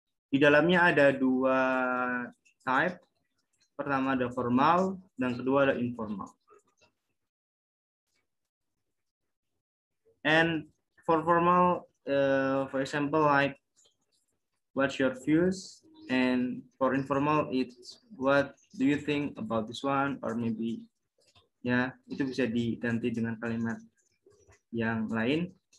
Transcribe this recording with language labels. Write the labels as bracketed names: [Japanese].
[Indonesian] Di dalamnya ada dua type. Pertama ada formal, dan kedua ada informal. [English] And for formal, for example, like, what's your views? And for informal, it's what do you think about this one? Or maybe, [Indonesian] ya, itu bisa diganti dengan kalimat yang lain.